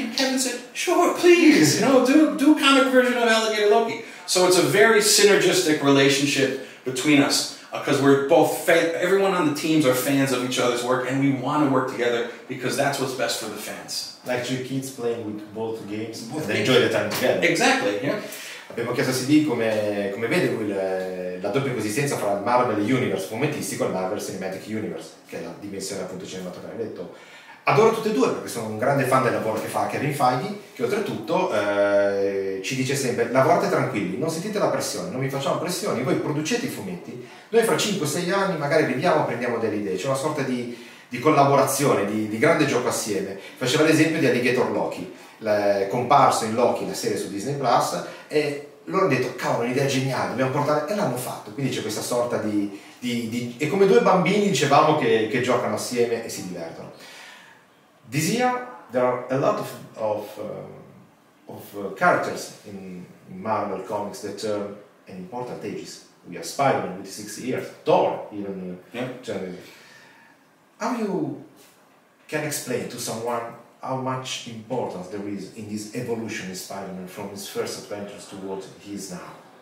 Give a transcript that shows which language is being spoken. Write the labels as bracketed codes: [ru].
[en] And Kevin said, sure, please, you know, do a comic version of Alligator Loki. So it's a very synergistic relationship between us because we're both, everyone on the teams are fans of each other's work and we want to work together because that's what's best for the fans. Like two kids playing with both games both and they enjoy the time together. Exactly, yeah. [it] Abbiamo chiesto a CD come vede la doppia coesistenza fra il Marvel Universe fumettistico e il Marvel Cinematic Universe, che è la dimensione appunto cinematografica, hai detto. Adoro tutte e due perché sono un grande fan del lavoro che fa Kevin Feige, che oltretutto ci dice sempre lavorate tranquilli, non sentite la pressione, non vi facciamo pressioni, voi producete i fumetti, noi fra 5-6 anni magari vediamo, prendiamo delle idee, c'è una sorta di collaborazione, di grande gioco assieme. Faceva l'esempio di Alligator Loki, comparso in Loki, la serie su Disney Plus, e loro hanno detto cavolo, un'idea geniale, dobbiamo portare, e l'hanno fatto, quindi c'è questa sorta di è come due bambini, dicevamo, che giocano assieme e si divertono. [en] This year, there are a lot of characters in Marvel comics that turn an important ages. We have Spider-Man with 60 years, Thor even. How you can explain to someone how much importance there is in this evolution in Spider-Man from his first adventures to what he is now?